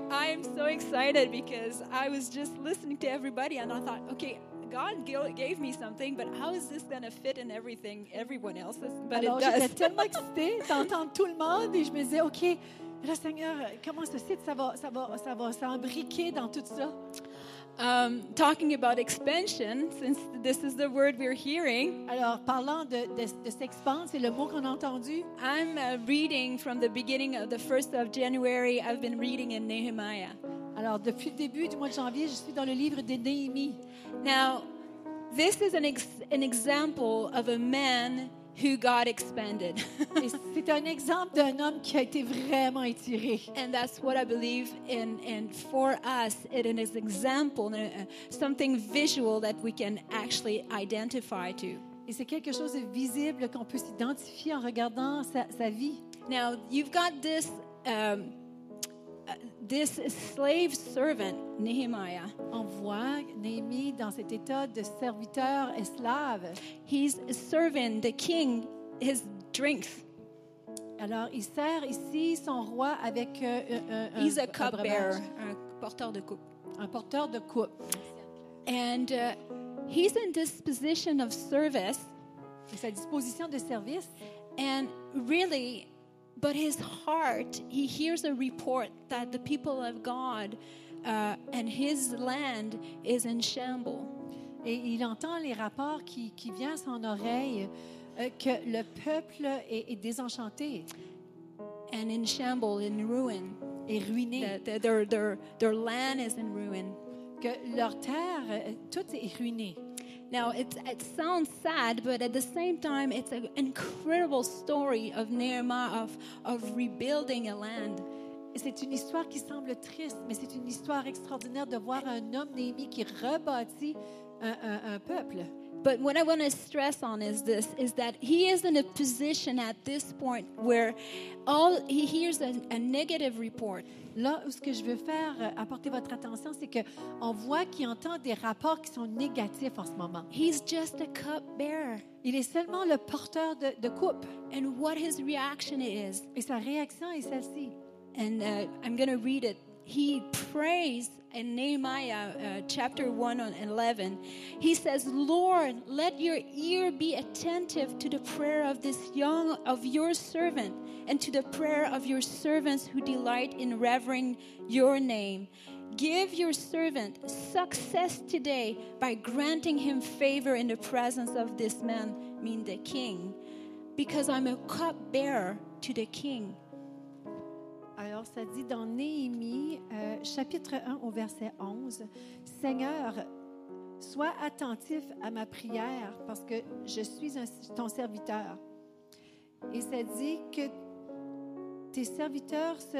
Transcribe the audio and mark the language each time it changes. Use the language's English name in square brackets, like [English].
[English] I am so excited because I was just listening to everybody and I thought, okay, God gave me something, but how is this going to fit in everything, everyone else's? But [French] alors, [English] it does. [French] J'étais tellement excitée d'entendre tout le monde et je me disais, okay, là, Seigneur, comment ça fit? Ça va s'imbriquer dans tout ça. [English] Talking about expansion, since this is the word we're hearing. [French] Alors, parlant de s'expandre, c'est le mot qu'on a entendu. [English] I'm reading from the beginning of the 1st of January. I've been reading in Nehemiah. [French] Alors, depuis le début du mois de janvier, je suis dans le livre de Néhémie. [English] Now, this is an example of a man who God expanded. [French] C'est un exemple d'un homme qui a été vraiment étiré. [English] And that's what I believe in. And for us, it is an example, something visual that we can actually identify to. [French] Et c'est quelque chose de visible qu'on peut s'identifier en regardant sa vie. [English] Now, you've got this this slave servant, Nehemiah. [French] On voit Néhémie dans cet état de serviteur esclave. [English] He's serving the king his drinks. [French] Alors, il sert ici son roi avec [English] he's a cupbearer, [French] un porteur de coupe. Un porteur de coupe. [English] And he's in this position of service. [French] Et sa disposition de service. [English] And really, but his heart, he hears a report that the people of God and his land is in shambles. [French] Et il entend les rapports qui viennent à son oreille que le peuple est désenchanté. [English] And in shambles, in ruin. [French] Et ruiné. [English] Their land is in ruin. [French] Que leur terre, tout est ruiné. [English] Now it sounds sad, but at the same time, it's an incredible story of Nehemiah of rebuilding a land. [French] C'est une histoire qui semble triste, mais c'est une histoire extraordinaire de voir un homme Néhémie qui rebâtit un peuple. [English] But what I want to stress on is this, is that he is in a position at this point where all he hears a negative report. [French] Là, ce que je veux faire apporter votre attention, c'est que on voit qu'il entend des rapports qui sont négatifs en ce moment. [English] He's just a cupbearer. [French] Il est seulement le porteur de coupe. [English] And what his reaction is. [French] Et sa réaction est celle-ci. [English] And I'm going to read it. He prays in Nehemiah chapter 1 and 11. He says, "Lord, let your ear be attentive to the prayer of this young of your servant and to the prayer of your servants who delight in revering your name. Give your servant success today by granting him favor in the presence of this man," meaning the king, "because I'm a cupbearer to the king." [French] Alors, ça dit dans Néhémie, chapitre 1, au verset 11, « Seigneur, sois attentif à ma prière, parce que je suis ton serviteur. » Et ça dit que tes serviteurs